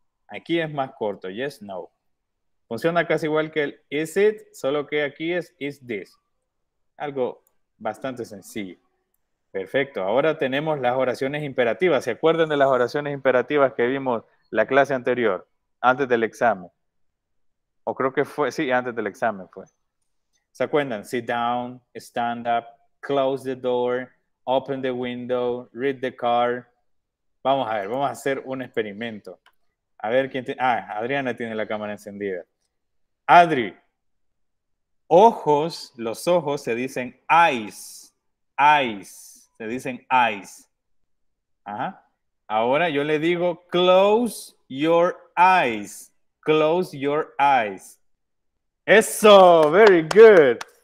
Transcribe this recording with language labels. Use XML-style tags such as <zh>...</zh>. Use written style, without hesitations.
<es>Aquí es más corto, yes, no. Funciona casi igual que el</es> <en>is it,</en> <es>solo que aquí</es> <en>is this.</en> <es>Algo bastante sencillo. Perfecto. Ahora tenemos las oraciones imperativas. ¿Se acuerdan de las oraciones imperativas que vimos la clase anterior? Antes del examen. O creo que fue, sí, antes del examen fue. ¿Se acuerdan?</es> <en>Sit down, stand up, close the door, open the window, read the card.</en> <es>Vamos a ver, vamos a hacer un experimento. A ver quién tiene... Ah, Adriana tiene la cámara encendida. Adri, ojos, los ojos se dicen eyes, eyes, se dicen eyes. Ajá. Ahora yo le digo</es> <en>close your eyes, close your eyes.</en> <es>¡Eso!</es> <en>¡Very good!</en>